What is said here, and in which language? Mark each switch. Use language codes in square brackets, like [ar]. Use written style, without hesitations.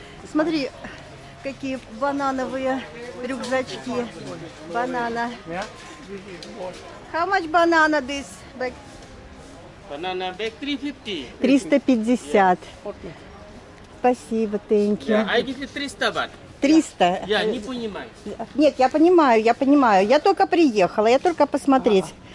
[ru] Смотри, какие банановые рюкзачки. Банана. [en] How much banana this bag? Banana bag 350. 350. [ru] Спасибо, [en] thank you. Yeah, I give you 300 baht. 300. [ru] Я не понимаю. Нет, я понимаю, я понимаю. Я только приехала, я только посмотреть.